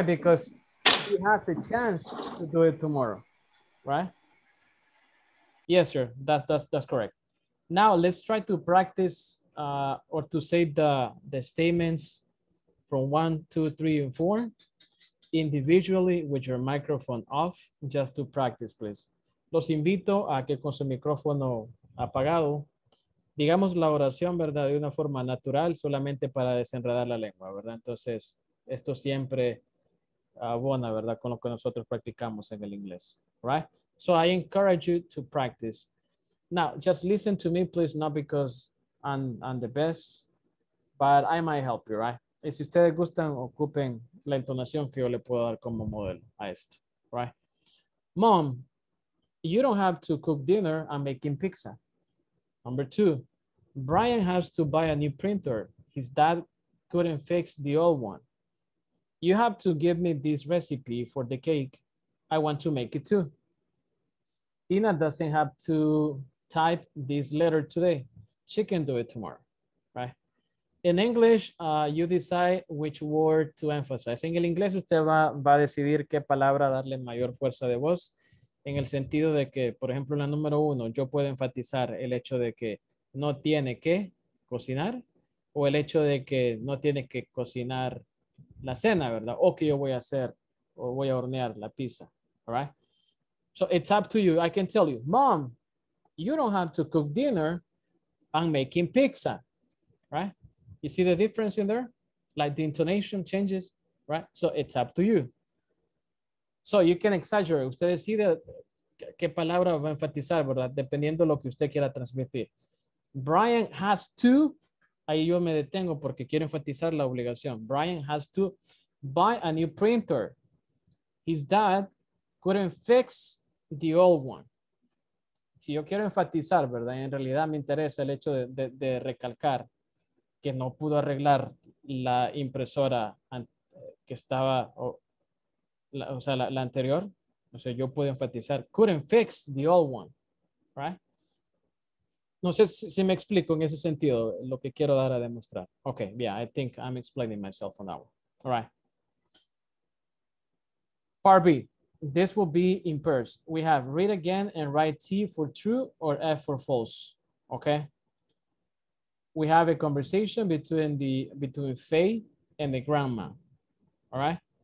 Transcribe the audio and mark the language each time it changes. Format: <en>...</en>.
<en>Because she has a chance to do it tomorrow, right? Yes, sir. That's correct. Now, let's try to practice or to say the statements from 1, 2, 3, and 4 individually with your microphone off, just to practice, please.</en> <es>Los invito a que con su micrófono apagado digamos la oración, ¿verdad? De una forma natural, solamente para desenredar la lengua, ¿verdad? Entonces, esto siempre abona, ¿verdad? Con lo que nosotros practicamos en el inglés,</es> <en>right? So I encourage you to practice. Now, just listen to me, please, not because I'm the best, but I might help you, right?</en> <es>Y si ustedes gustan, ocupen la entonación que yo le puedo dar como modelo a esto,</es> <en>right? Mom, you don't have to cook dinner, I'm making pizza. Number two, Brian has to buy a new printer. His dad couldn't fix the old one. You have to give me this recipe for the cake. I want to make it too. Tina doesn't have to type this letter today. She can do it tomorrow, right? In English, you decide which word to emphasize.</en> <es>En el inglés, usted va a decidir qué palabra darle mayor fuerza de voz. En el sentido de que, por ejemplo, la número uno, yo puedo enfatizar el hecho de que no tiene que cocinar o el hecho de que no tiene que cocinar la cena, ¿verdad? O que yo voy a hacer o voy a hornear la pizza,</es> <en>all right? So it's up to you. I can tell you, Mom, you don't have to cook dinner. I'm making pizza, right? You see the difference in there? Like the intonation changes, right? So it's up to you. So you can exaggerate.</en> <es>Usted decide qué palabra va a enfatizar, ¿verdad? Dependiendo de lo que usted quiera transmitir.</es> <en>Brian has to,</en> <es>ahí yo me detengo porque quiero enfatizar la obligación.</es> <en>Brian has to buy a new printer. His dad couldn't fix the old one.</en> <es>Si yo quiero enfatizar, ¿verdad? En realidad me interesa el hecho de recalcar que no pudo arreglar la impresora que estaba... La anterior, o sea, yo puedo enfatizar,</es> <en>couldn't fix the old one, right?</en> <es>No sé si me explico en ese sentido lo que quiero dar a demostrar.</es> <en>Okay, yeah, I think I'm explaining myself on that one. All right. Part B, this will be in pairs. We have read again and write T for true or F for false, okay? We have a conversation between Faye and the grandma, all right?</en>